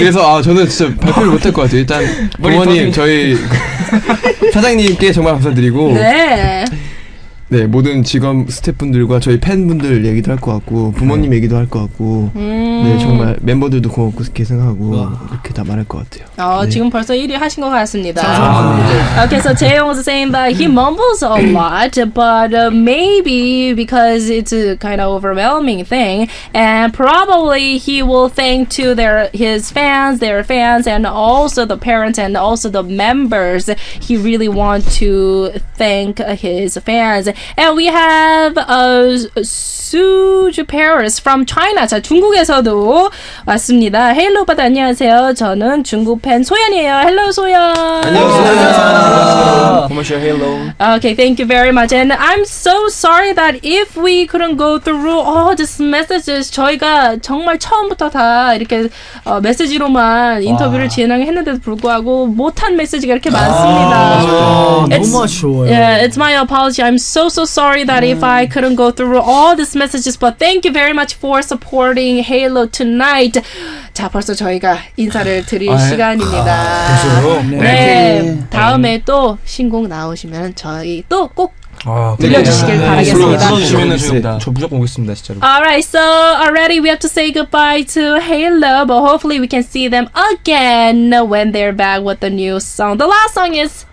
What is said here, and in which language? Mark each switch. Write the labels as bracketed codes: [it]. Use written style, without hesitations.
[ko] 그래서 아 저는 진짜 발표를 못할 것 같아요. 일단 부모님 저희 사장님께 정말 감사드리고 네. 네 모든 직원 스태프분들과 저희 팬분들 얘기도 할 것 같고 부모님 얘기도 할 것 같고 네 정말 멤버들도 고맙고 계승하고 이렇게 다 말할 것 같아요. 어 네. 지금 벌써 1위 하신 것 같습니다. 감사합니다. [en] Okay, so Jaehyung was saying that he mumbles a lot, but maybe because it's a kind of overwhelming thing, and probably he will thank to his fans, and also the parents and also the members. He really want to thank his fans, and we have a Suju Paris from China. [ko] 자 중국에서도 왔습니다. Hello, 오빠 안녕하세요. 저는 중국 팬 소연이에요. [en] Hello, 소연. [ko] 안녕하세요. [en] 고마워요. Okay, thank you very much. And I'm so sorry that if we couldn't go through all these messages, [ko] 저희가 정말 처음부터 다 이렇게 메시지로만 인터뷰를 진행했는데도 불구하고 못한 메시지가 이렇게 많습니다. 너무 아쉬워요. [en] It's my apology. I'm so so sorry that if I couldn't go through all these messages, but thank you very much for supporting Halo tonight. [ko] 자 벌써 저희가 인사를 드릴 시간입니다. 네, 다음에 또 신곡 나오시면 저희 또 꼭 들려주시길 바라겠습니다. 들려주시면 저 무조건 오겠습니다, 진짜로. [en] Alright, so already we have to say goodbye to Halo, but hopefully we can see them again when they're back with the new song. The last song is.